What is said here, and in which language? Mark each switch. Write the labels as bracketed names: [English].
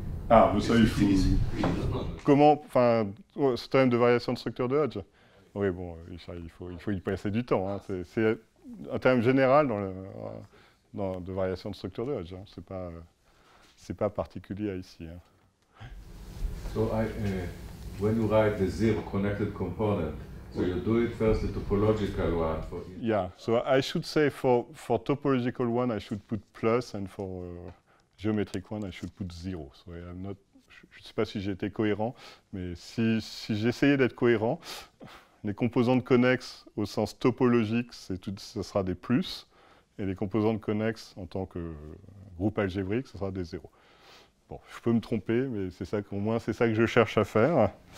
[French] Ah, vous savez, comment, enfin, ce thème de variation de structure de Hodge. Oui, bon, ça, il faut y passer du temps. Hein. C'est un thème général de variation de structure de Hodge. Hein. C'est pas particulier à ici. Hein. [English] So, when you write the zero connected component, so you do it first the topological one. For yeah. So I should say for topological one, I should put plus and for geometric one, I should put zero. So I'm not. [French] Je ne sais pas si j'ai été cohérent, mais si j'essayais d'être cohérent, les composantes connexes au sens topologique, ce sera des plus, et les composantes connexes en tant que groupe algébrique, ce sera des zéros. Bon, je peux me tromper, mais c'est ça, au moins c'est ça que je cherche à faire.